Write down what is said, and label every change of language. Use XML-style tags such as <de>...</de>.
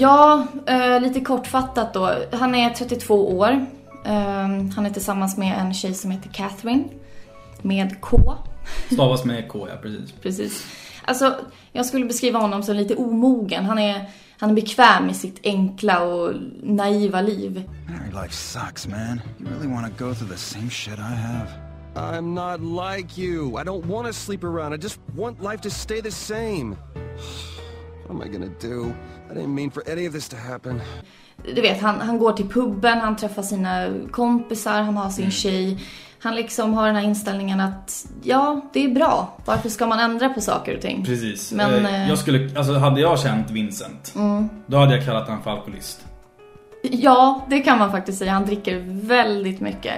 <sv>Ja, lite kortfattat då. Han är 32 år. Han är tillsammans med en tjej som heter Catherine. Med K. Stavas med K, ja, precis. Precis. Alltså, jag skulle beskriva honom som lite omogen. Han är bekväm i sitt enkla och naiva liv.</sv> <en>Life sucks, man. You really want to go through the same shit I have. I'm not like you. I don't want to sleep around. I just want life to stay the same. What am I gonna do? I didn't mean for any of this to happen.</en> <sv>Du vet, han går till puben, han träffar sina kompisar, han har sin tjej. Han liksom har den här inställningen att ja, det är bra. Varför ska man ändra på saker och ting? Precis. Men jag skulle, alltså hade jag känt Vincent, då hade jag kallat han för alkoholist. Ja, det kan man faktiskt säga. Han dricker väldigt mycket.</sv>